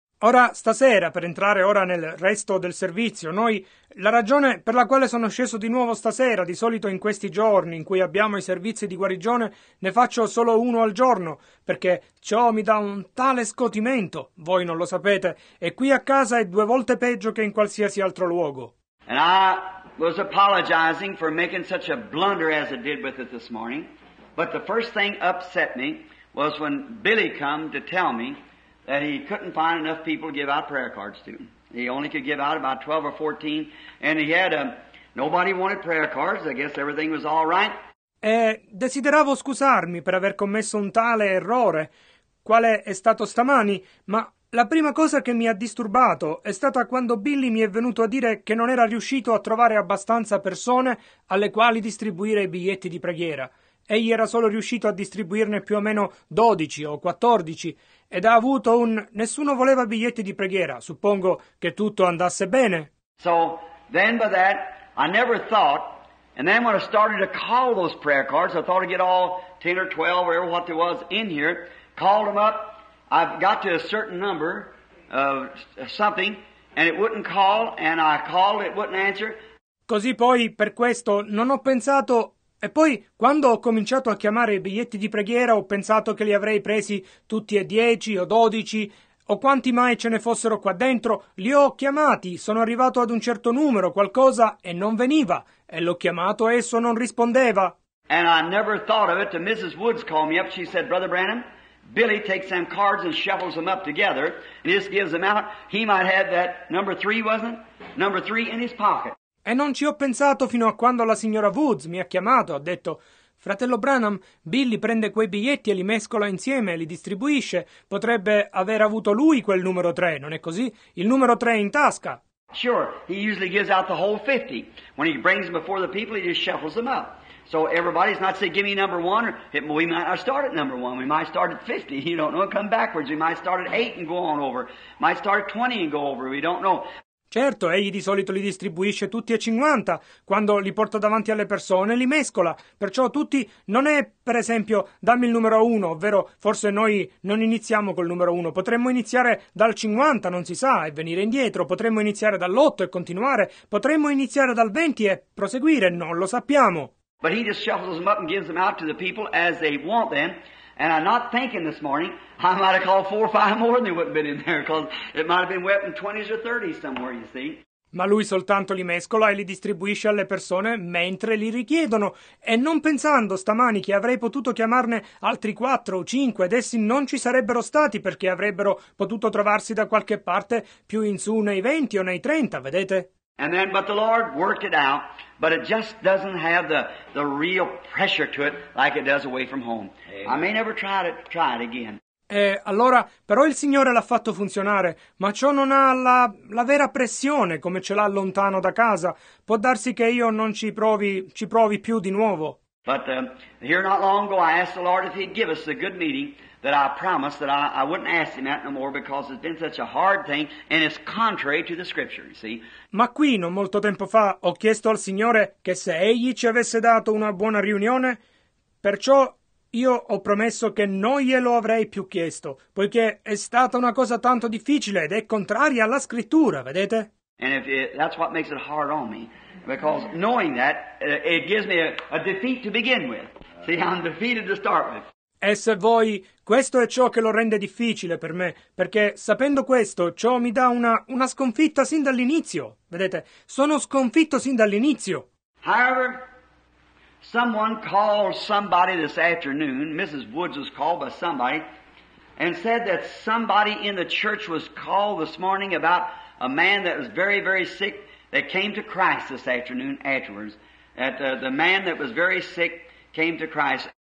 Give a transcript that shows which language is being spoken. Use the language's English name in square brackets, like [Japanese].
[Italian] Ora, stasera, per entrare ora nel resto del servizio, la ragione per la quale sono sceso di nuovo stasera, di solito in questi giorni in cui abbiamo i servizi di guarigione, ne faccio solo uno al giorno, perché ciò mi dà un tale scotimento, voi non lo sapete, e qui a casa è due volte peggio che in qualsiasi altro luogo. [English] And I was apologizing for making such a blunder as it did with it this morning. But the first thing upset me was when Billy come to tell me that he couldn't find enough people to give out prayer cards to. He only could give out about 12 or 14, and he had nobody wanted prayer cards. I guess everything was all right. [Italian] Desideravo scusarmi per aver commesso un tale errore, quale è stato stamani, ma la prima cosa che mi ha disturbato è stata quando Billy mi è venuto a dire che non era riuscito a trovare abbastanza persone alle quali distribuire i biglietti di preghiera. Egli era solo riuscito a distribuirne più o meno 12 o 14 ed ha avuto un nessuno voleva biglietti di preghiera. Suppongo che tutto andasse bene. [English] So then by that I never thought, and then when I started to call those prayer cards, I thought I'd get all 10 or 12 or what there was in here, called them up. I got to a certain number of something and it wouldn't call, and I called, it wouldn't answer. [Italian] Così poi per questo non ho pensato. E poi, quando ho cominciato a chiamare i biglietti di preghiera, ho pensato che li avrei presi tutti e 10 o 12, o quanti mai ce ne fossero qua dentro, li ho chiamati, sono arrivato ad un certo numero, qualcosa, e non veniva. E l'ho chiamato e esso non rispondeva. [English] And I never thought of it till Mrs. Woods called me up. She said, Brother Branham, Billy takes them cards and shuffles them up together, and just gives them out. He might have that number 3, wasn't it? Number 3 in his pocket. [Italian] E non ci ho pensato fino a quando la signora Woods mi ha chiamato, ha detto, fratello Branham, Billy prende quei biglietti e li mescola insieme e li distribuisce, potrebbe aver avuto lui quel numero 3, non è così? Il numero 3 è in tasca. [English] Sure, he usually gives out the whole 50. When he brings them before the people, he just shuffles them up. So everybody's not saying, give me number 1, we might not start at number 1, we might start at 50, you don't know, come backwards, we might start at 8 and go on over, might start at 20 and go over, we don't know. [Italian] Certo, egli di solito li distribuisce tutti a 50, quando li porta davanti alle persone li mescola, perciò tutti, non è per esempio dammi il numero 1, ovvero forse noi non iniziamo col numero 1, potremmo iniziare dal 50, non si sa, e venire indietro, potremmo iniziare dall'8 e continuare, potremmo iniziare dal 20 e proseguire, non lo sappiamo. [English] But he just shuffles them up and gives them out to the people as they want them. And I'm not thinking this morning, I might have called 4 or 5 more than they would have been in there, because it might have been wet in 20s or 30s somewhere, you see. [Italian] Ma lui soltanto li mescola e li distribuisce alle persone mentre li richiedono. E non pensando stamani che avrei potuto chiamarne altri 4 o 5, ed essi non ci sarebbero stati perché avrebbero potuto trovarsi da qualche parte più in su nei 20 o nei 30, vedete? [English] And then, but the Lord worked it out, but it just doesn't have the real pressure to it like it does away from home. Amen. I may never try it again. [Italian] Allora, però il Signore l'ha fatto funzionare, ma ciò non ha la vera pressione come ce l'ha lontano da casa. Può darsi che io non ci provi più di nuovo. [English] But here not long ago I asked the Lord if he'd give us a good meeting that I promised that I wouldn't ask him that no more because it's been such a hard thing and it's contrary to the scripture, you see. [Italian] Ma qui, non molto tempo fa, ho chiesto al Signore che se egli ci avesse dato una buona riunione, perciò io ho promesso che non glielo avrei più chiesto, poiché è stata una cosa tanto difficile ed è contraria alla scrittura, vedete? [English] And that's what makes it hard on me. Because knowing that, it gives me a defeat to begin with. See, I'm defeated to start with. [Italian] E se voi, questo è ciò che lo rende difficile per me, perché sapendo questo, ciò mi dà una sconfitta sin dall'inizio. Vedete, sono sconfitto sin dall'inizio. [English] However, someone called somebody this afternoon, Mrs. Woods was called by somebody, and said that somebody in the church was called this morning about a man that was very, very sick, that came to Christ this afternoon afterwards, that the man that was very sick came to Christ.